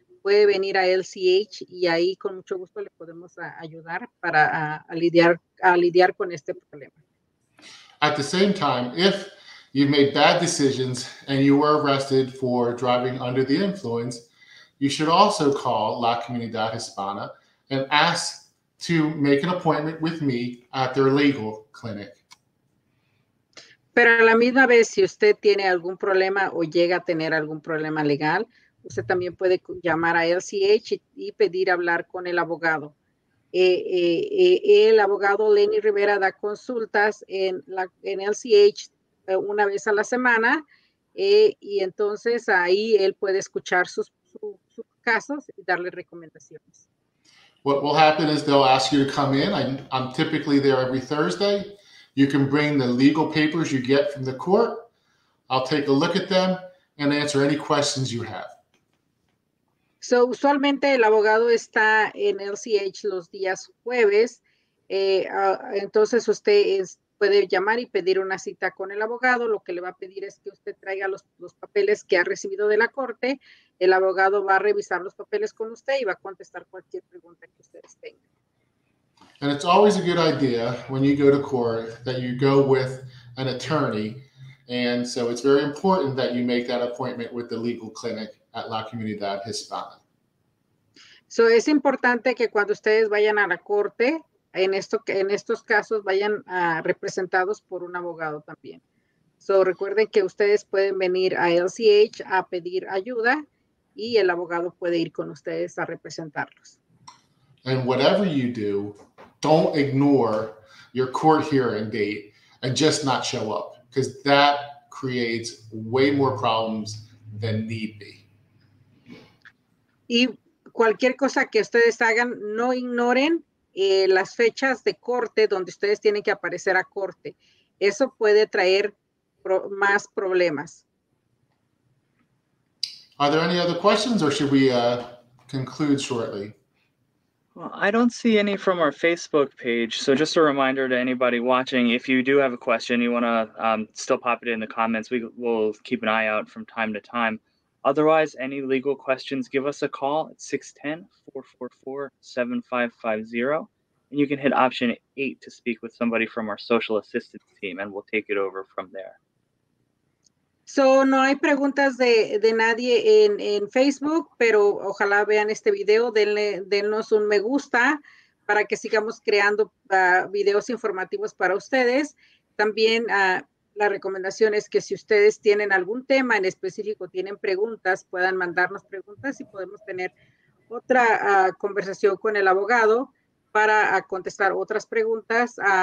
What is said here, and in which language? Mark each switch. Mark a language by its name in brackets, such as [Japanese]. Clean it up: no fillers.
[Spanish] puede venir a LCH y ahí con mucho gusto le podemos ayudar para a lidiar con este problema. [English] At the same time, if you've made bad decisions and you were arrested for driving under the influence, you should also call La Comunidad Hispana and ask to make an appointment with me at their legal clinic. [Spanish] Pero a la misma vez, si usted tiene algún problema o llega a tener algún problema legal, usted también puede llamar a LCH y pedir hablar con el abogado. El abogado Lenny Rivera da consultas en LCH una vez a la semana, y entonces ahí él puede escuchar sus casos y darle recomendaciones. [English] What will happen is they'll ask you to come in. I'm typically there every Thursday. You can bring the legal papers you get from the court. I'll take a look at them and answer any questions you have. [Spanish] So, usualmente el abogado está en LCH los días jueves. Entonces usted puede llamar y pedir una cita con el abogado. Lo que le va a pedir es que usted traiga los papeles que ha recibido de la corte. El abogado va a revisar los papeles con usted y va a contestar cualquier pregunta que ustedes tengan. [English] And it's always a good idea when you go to court that you go with an attorney. And so it's very important that you make that appointment with the legal clinic at La Comunidad Hispana. [Spanish] So es importante que cuando ustedes vayan a la corte, en estos casos vayan representados por un abogado también. So recuerden que ustedes pueden venir a LCH a pedir ayuda y el abogado puede ir con ustedes a representarlos. [English] And whatever you do, don't ignore your court hearing date and just not show up, because that creates way more problems than need be. [Spanish] Y cualquier cosa que ustedes hagan, no ignoren las fechas de corte donde ustedes tienen que aparecer a corte. Eso puede traer más problemas. [English] Are there any other questions, or should we conclude shortly? Well, I don't see any from our Facebook page. So just a reminder to anybody watching, if you do have a question, you want to still pop it in the comments, we will keep an eye out from time to time. Otherwise, any legal questions, give us a call at 610-444-7550. And you can hit option 8 to speak with somebody from our social assistance team, and we'll take it over from there. [Spanish] So, no hay preguntas de nadie en Facebook, pero ojalá vean este video, denos un me gusta para que sigamos creando videos informativos para ustedes. También la recomendación es que si ustedes tienen algún tema en específico, tienen preguntas, puedan mandarnos preguntas y podemos tener otra conversación con el abogado para contestar otras preguntas.